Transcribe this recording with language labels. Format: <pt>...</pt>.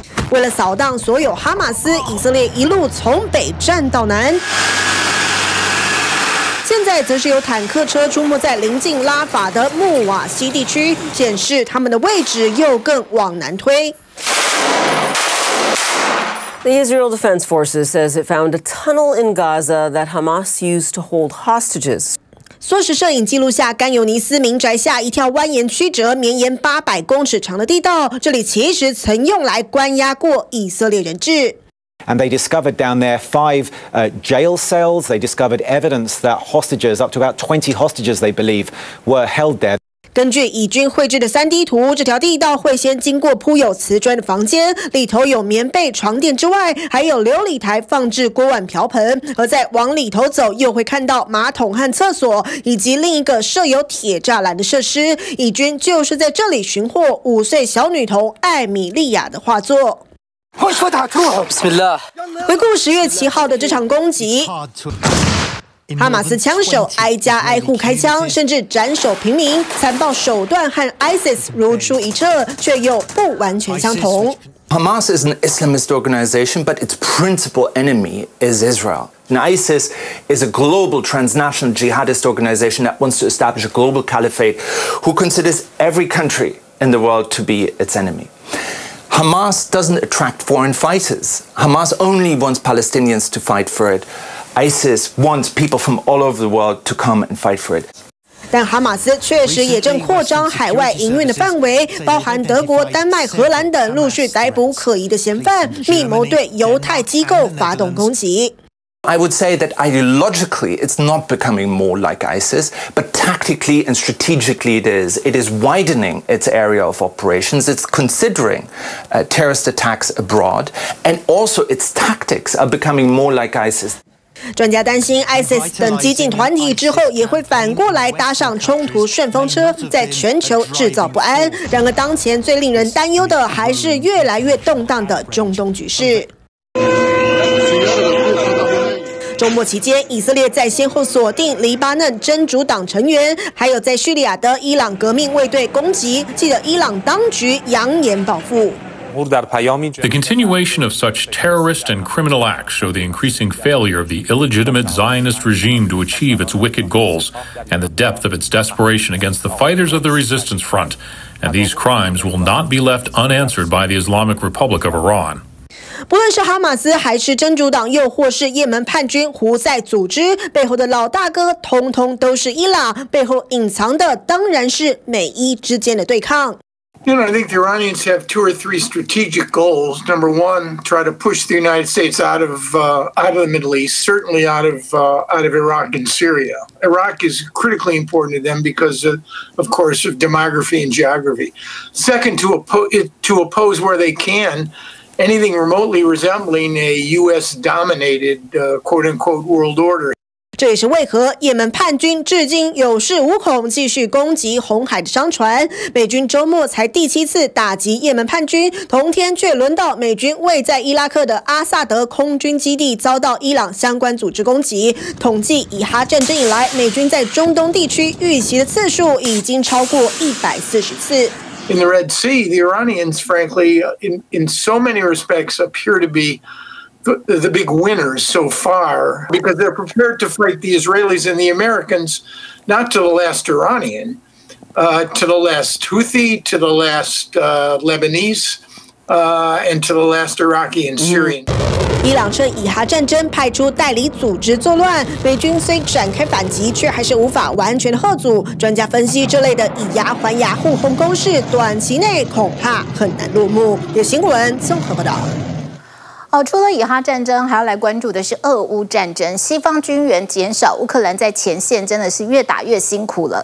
<zh>为了扫荡所有哈马斯，以色列一路从北站到南，现在则是有坦克车出没在临近拉法的穆瓦西地区，显示他们的位置又更往南推。</zh> <en>The Israel Defense Forces says it found a tunnel in Gaza that Hamas used to hold hostages.</en> <zh>缩时摄影记录下甘尤尼斯民宅下一条蜿蜒曲折、绵延800公尺长的地道，这里其实曾用来关押过以色列人质。</zh> <en>And they discovered down there five jail cells. They discovered evidence that hostages, up to about 20 hostages, they believe, were held there.</en> <zh>根据以军绘制的 3D 图，这条地道会先经过铺有瓷砖的房间，里头有棉被、床垫之外，还有琉璃台放置锅碗瓢盆。而再往里头走，又会看到马桶和厕所，以及另一个设有铁栅栏的设施。以军就是在这里寻获五岁小女童艾米莉亚的画作。回顾10月7号的这场攻击。哈马斯枪手挨家挨户开枪，甚至斩首平民，残暴手段和 ISIS 如出一辙，却又不完全相同。</zh> <en>Hamas is an Islamist organization, but its principal enemy is Israel. Now, ISIS is a global transnational jihadist organization that wants to establish a global caliphate, who considers every country in the world to be its enemy. Hamas doesn't attract foreign fighters. Hamas only wants Palestinians to fight for it. ISIS wants people from all over the world to come and fight for it.</en> <zh>但哈马斯确实也正扩张海外营运的范围，包含德国、丹麦、荷兰等陆续逮捕可疑的嫌犯，密谋对犹太机构发动攻击。</zh> <en>I would say that ideologically it's not becoming more like ISIS, but tactically and strategically it is. It is widening its area of operations, it's considering terrorist attacks abroad, and also its tactics are becoming more like ISIS.</en> <zh>专家担心 ISIS 等激进团体之后也会反过来搭上冲突顺风车，在全球制造不安。然而当前最令人担忧的还是越来越动荡的中东局势。周末期间，以色列在先后锁定黎巴嫩真主党成员，还有在叙利亚的伊朗革命卫队攻击，记得伊朗当局扬言报复。</zh> <en>The continuation of such terrorist and criminal acts show the increasing failure of the illegitimate Zionist regime to achieve its wicked goals, and the depth of its desperation against the fighters of the resistance front. And these crimes will not be left unanswered by the Islamic Republic of Iran.</en> <zh>不论是哈马斯还是真主党，又或是也门叛军胡塞组织，背后的老大哥通通都是伊朗，背后隐藏的当然是美伊之间的对抗。</zh> <en>You know, I think the Iranians have two or three strategic goals. Number one, try to push the United States out of the Middle East, certainly out of Iraq and Syria. Iraq is critically important to them because, of course, of demography and geography. Second, to oppose where they can anything remotely resembling a U.S.-dominated, quote-unquote, world order.</en> <zh>这也是为何也门叛军至今有恃无恐，继续攻击红海的商船。美军周末才第七次打击也门叛军，同天却轮到美军位在伊拉克的阿萨德空军基地遭到伊朗相关组织攻击。统计以哈战争以来，美军在中东地区遇袭的次数已经超过140次。</zh> <en>In the Red Sea, the Iranians, frankly, in so many respects, appear to be the big winners so far because they're prepared to fight the Israelis and the Americans, not to the last Iranian, to the last Houthi, to the last Lebanese, and to the last Iraqi and Syrian.</en> <zh>伊朗趁以哈战争派出代理组织作乱，美军虽展开反击，却还是无法完全的吓阻。专家分析，这类的以牙还牙互轰攻势，短期内恐怕很难落幕。有新闻综合报道。除了以哈战争，还要来关注的是俄乌战争。西方军援减少，乌克兰在前线真的是越打越辛苦了。</zh>